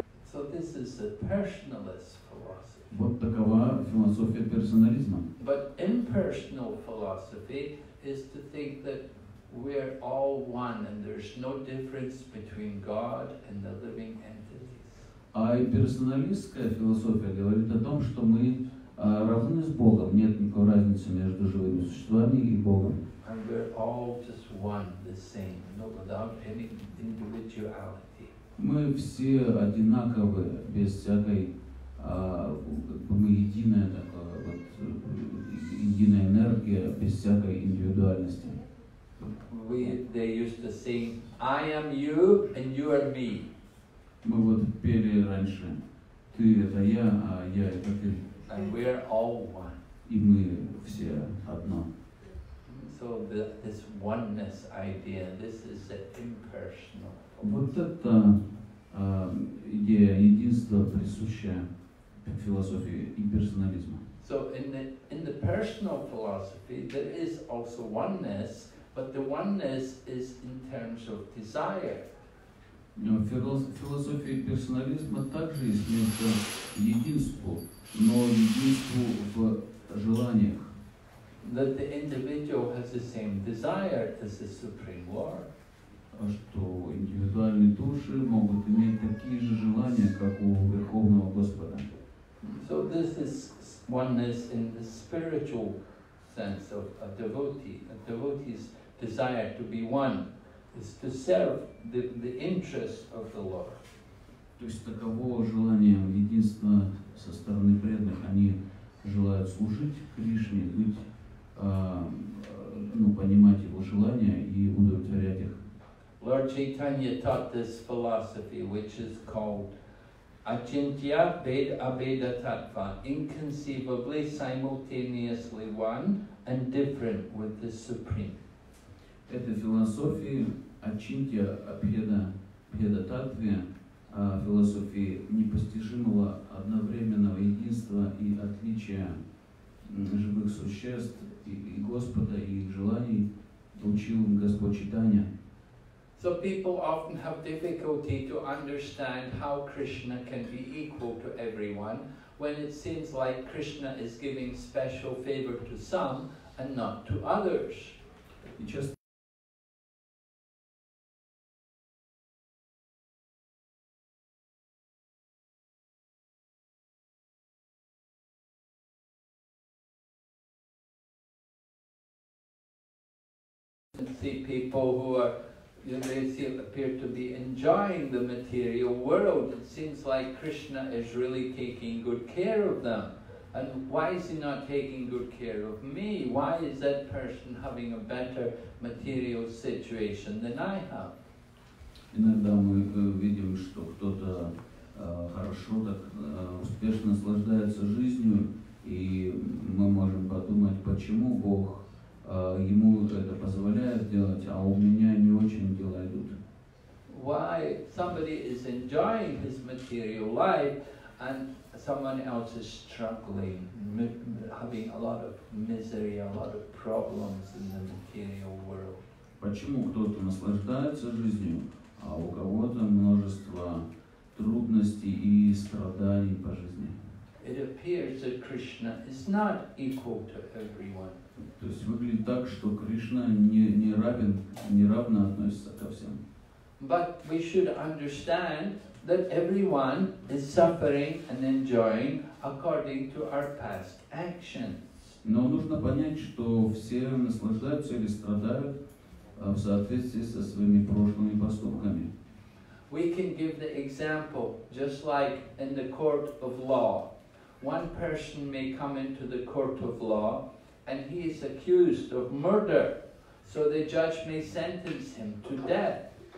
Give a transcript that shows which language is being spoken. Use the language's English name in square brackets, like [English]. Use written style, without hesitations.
[English] So this is a personalist philosophy. [Russian] Вот такова философия персонализма. [English] But impersonal philosophy is to think that we are all one and there's no difference between God and the living entities. [Russian] А имперсоналистская философия говорит о том, что мы равны с Богом, нет никакой разницы между живыми существами и Богом. [English] And we're all just one, the same, without any individuality. [Russian] Мы все одинаковы, без всякой, мы единая такая, вот, единая энергия, без всякой индивидуальности. [English] They used to sing, I am you and you are me. [Russian] Мы вот пели раньше, ты это я это ты. [English] And we are all one. [Russian] И мы все одно. [English] So this oneness idea, this is an impersonal. [Russian] Вот это идея единства присущая философии имперсонализма. [English] So in the personal philosophy, there is also oneness, but the oneness is in terms of desire. [Russian] Но философия персонализма также есть место единству, но единству в желаниях. [English] That the individual has the same desire as the Supreme Lord. [Russian] Что индивидуальные души могут иметь такие же желания, как у Верховного Господа. [English] So this is oneness in the spiritual sense of a devotee. A devotee's desire to be one is to serve the interest of the Lord. [Russian] То есть таково желание единства со стороны преданных. Они желают служить Кришне, понимать его желания и удовлетворять их. [English] Lord Chaitanya taught this philosophy, which is called Achintya Abheda Tattva, inconceivably, simultaneously one and different with the Supreme. [Russian] Это философия Ачинтья Абхеда Таттвы, философии непостижимого одновременного единства и отличия живых существ и Господа, и их желаний, учил Господь Читания. [English] So people often have difficulty to understand how Krishna can be equal to everyone when it seems like Krishna is giving special favor to some and not to others. See people who are, appear to be enjoying the material world. It seems like Krishna is really taking good care of them. And why is he not taking good care of me? Why is that person having a better material situation than I have? [Russian] Иногда мы видим, что кто-то хорошо так успешно наслаждается жизнью, и мы можем подумать, почему Бог ему это позволяет делать, а у меня не очень дела идут. [English] Why somebody is enjoying his material life and someone else is struggling, having a lot of misery, a lot of problems in the material world? [Russian] Почему кто-то наслаждается жизнью, а у кого-то множество трудностей и страданий по жизни? [English] It appears that Krishna is not equal to everyone. [Russian] То есть выглядит так, что Кришна не равно относится ко всем. [English] But we should understand that everyone is suffering and enjoying according to our past actions. [Russian] Но нужно понять, что все наслаждаются или страдают в соответствии со своими прошлыми поступками. [English] We can give the example just like in the court of law. One person may come into the court of law and he is accused of murder, so the judge may sentence him to death.